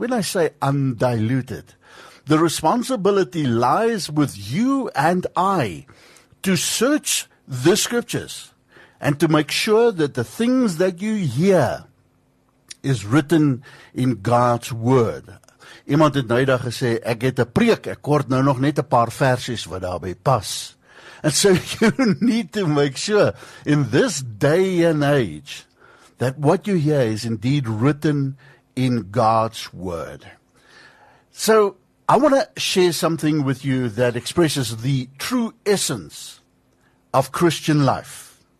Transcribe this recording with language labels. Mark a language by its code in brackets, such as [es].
[en] When I say undiluted, the responsibility lies with you and I to search the scriptures and to make sure that the things that you hear is written in God's word. [af] Iemand het nou daag gesê, ek het 'n preek, ek kort nou nog net 'n paar versies wat daarby pas. [en] And so you need to make sure in this day and age that what you hear is indeed written in God's word. So I want to share something with you that expresses the true essence of Christian life.